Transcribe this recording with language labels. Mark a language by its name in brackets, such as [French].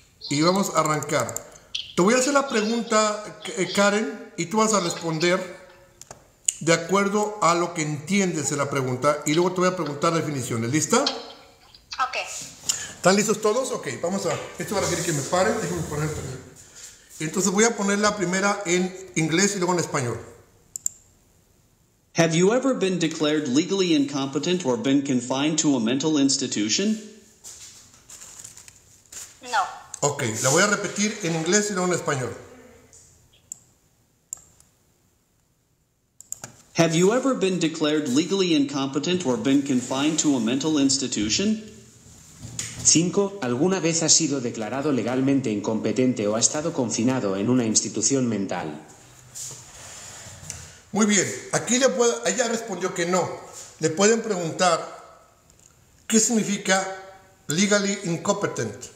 [Spanish] Y vamos a arrancar. Te voy a hacer la pregunta, Karen, y tú vas a responder de acuerdo a lo que entiendes de la pregunta. Y luego te voy a preguntar definiciones. ¿Lista? Ok. ¿Están listos todos? Ok, vamos a... Esto va a requerir que me pare. Déjame poner... Entonces voy a poner la primera en inglés y luego en español. [English] Have you ever been declared legally incompetent or been confined to a mental institution? No. [Spanish] Ok, la voy a repetir en inglés y luego en español. [English] Have you ever been declared legally incompetent or been confined to a mental institution? 5. [Spanish] ¿Alguna vez has sido declarado legalmente incompetente o has estado confinado en una institución mental? Muy bien. Aquí le puedo... Ella respondió que no. Le pueden preguntar qué significa legally incompetent.